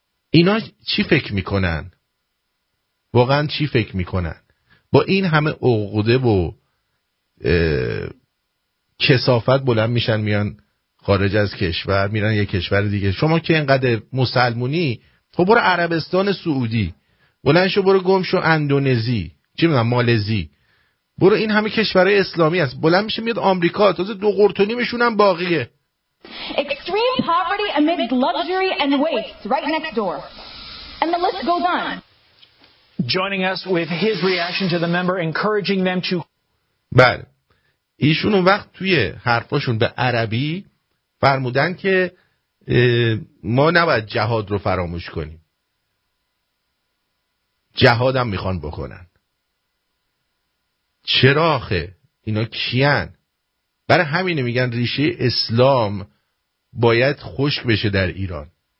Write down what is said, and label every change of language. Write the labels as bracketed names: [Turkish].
[Persian] اینا چی فکر میکنن؟ واقعا چی فکر میکنن؟ با این همه عقده و کسافت بلند میشن میان خارج از کشور، میرن یک کشور دیگه. شما که اینقدر مسلمونی، خب برو عربستان سعودی، بلند شو برو گم شو اندونزی، چی میدونم مالزی، برو این همه کشور اسلامی هست، بلند میشه میاد آمریکا، تازه 2.5 قرط هم باقیه. [English] Extreme poverty amid luxury and waste right next door. And the list goes on. Joining us with his reaction to the member encouraging them to [Persian] بله. ایشون اون وقت توی حرفاشون به عربی فرمودن که ما نباید جهاد رو فراموش کنیم. جهاد هم میخوان بکنن. چرا آخه؟ اینا کیان؟ برای همینه میگن ریشه اسلام باید خشک بشه در ایران.